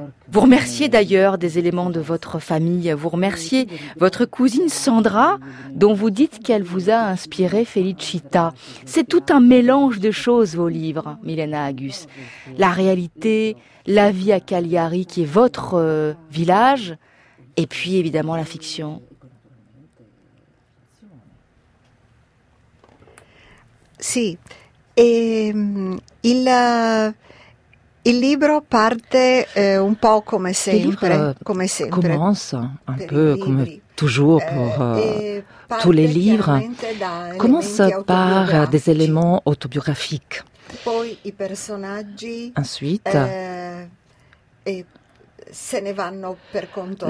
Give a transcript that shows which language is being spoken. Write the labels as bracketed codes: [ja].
[fr] Vous remerciez d'ailleurs des éléments de votre famille, vous remerciez votre cousine Sandra, dont vous dites qu'elle vous a inspiré Felicita. C'est tout un mélange de choses, vos livres, Milena Agus. La réalité, la vie à Cagliari, qui est votre village, et puis évidemment la fiction. [it] Sì, e il libro parte un po' come sempre, come sempre. [fr] Commence un peu come toujours pour tous les livres. Commence par des éléments autobiographiques. [it] Poi i personaggi. [fr] Ensuite. [it] Se ne vanno per conto [fr] les